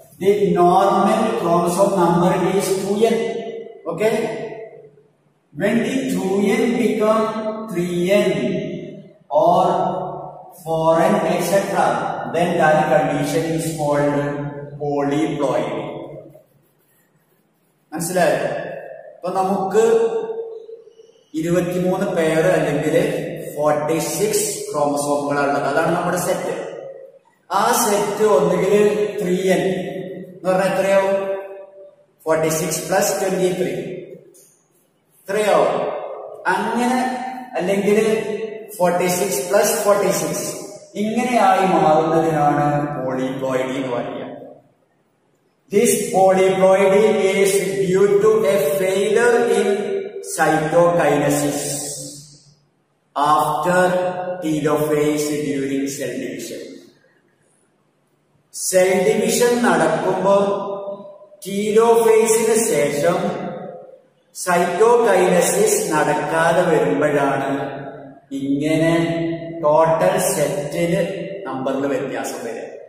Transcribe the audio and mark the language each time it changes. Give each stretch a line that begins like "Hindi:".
English: The normal chromosome number is 2N. Okay? When the 2N become 3N or 4N etc., then that condition is called polyploidy.
Malayalam: മനസ്സിലായോ? അപ്പൊ നമുക്ക് 23 പേര് അല്ലെങ്കിൽ 46 ക്രോമസോമുകളുള്ളത്, അതാണ് നമ്മുടെ സെറ്റ്. ആ സെറ്റ് ഒന്നുകിൽ 3N എന്ന് പറഞ്ഞാൽ എത്രയാവും? 46 + 23 എത്രയാവും? അങ്ങനെ അല്ലെങ്കിൽ 46 + 46 ഇങ്ങനെയായി മാറുന്നതിനാണ് പോളിപ്ലോയിഡി എന്ന് പറയുക.
English: This polyploidy is due to a failure in cytokinesis after telophase during cell division.
Malayalam: Cell division നടക്കുമ്പോൾ ടീലോഫേസിന് ശേഷം സൈറ്റോകൈനസിസ് നടക്കാതെ വരുമ്പോഴാണ് ഇങ്ങനെ ടോട്ടൽ സെറ്റിന് നമ്പറിൽ വ്യത്യാസം വരുന്നത്.